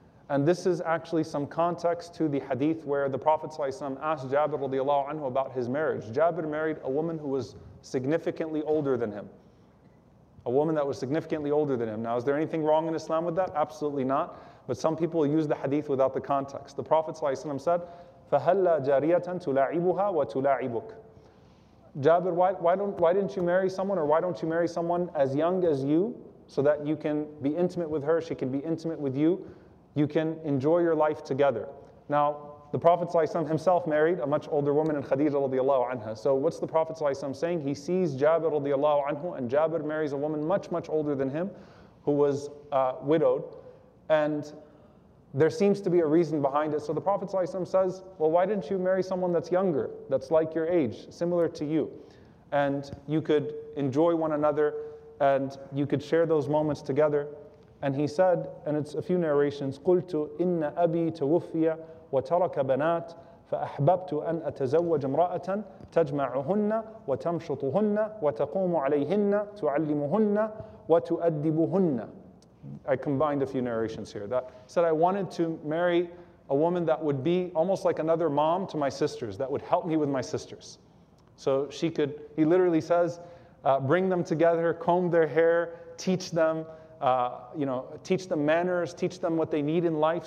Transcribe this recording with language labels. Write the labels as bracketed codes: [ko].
[en] And this is actually some context to the hadith where the Prophet ﷺ asked Jabir radiallahu anhu about his marriage. Jabir married a woman who was significantly older than him. A woman that was significantly older than him. Now, is there anything wrong in Islam with that? Absolutely not. But some people use the hadith without the context. The Prophet ﷺ said, [ar] فَهَلَّا جَارِيَةً تُلَاعِبُهَا وَتُلَاعِبُكَ. [en] Jabir, why didn't you marry someone, or why don't you marry someone as young as you so that you can be intimate with her, she can be intimate with you, you can enjoy your life together. Now, the Prophet ﷺ himself married a much older woman in Khadija radiallahu anha. So what's the Prophet ﷺ saying? He sees Jabir radiallahu anhu, and Jabir marries a woman much, much older than him who was widowed. And there seems to be a reason behind it. So the Prophet ﷺ says, well, why didn't you marry someone that's younger, that's like your age, similar to you? And you could enjoy one another, and you could share those moments together. And he said, and it's a few narrations, [ar] قُلْتُ إِنَّ أَبِي تَوُفِّيَ وَتَرَكَ بَنَاتٍ فَأَحْبَبْتُ أَنْ أَتَزَوَّجَ امْرَأَةً تَجْمَعُهُنَّ وَتَمْشُطُهُنَّ وَتَقُومُ عَلَيْهِنَّ تُعَلِّمُهُنَّ وَتُؤَدِّبُهُنَّ. [en] I combined a few narrations here. That said, I wanted to marry a woman that would be almost like another mom to my sisters, that would help me with my sisters. So she could, he literally says, bring them together, comb their hair, teach them, teach them manners, teach them what they need in life.